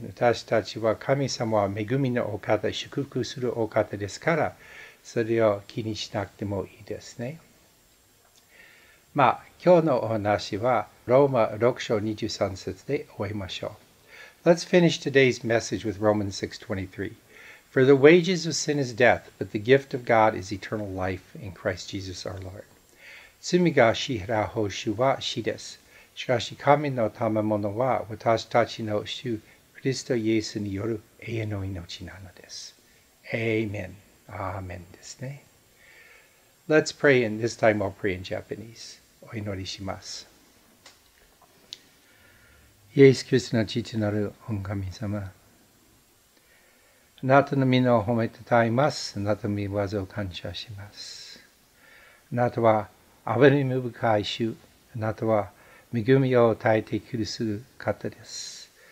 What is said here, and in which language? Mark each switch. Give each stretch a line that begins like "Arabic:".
Japanese: 私たちは神様は恵みのお方、祝福するお方ですから、それを気にしなくてもいいですね。まあ、今日のお話はローマ6章23節で終えましょう。
English: Let's finish today's message with Romans 6:23. For the wages of sin is death, but the gift of God is eternal life in Christ Jesus our Lord.
Japanese: 罪が支払う報酬は死です。しかし神の賜物は私たちの主クリストイエスによる永遠の命なのです。 Amen. Amen ですね。
English: Let's pray, and this time I'll pray in Japanese.
Japanese: お祈りします。イエス・キリストの父なる御神様。あなたの御名を褒めたたえます。あなたの御業を感謝します。あなたは憐れみ深い主。あなたは恵みを与えてくださる方です。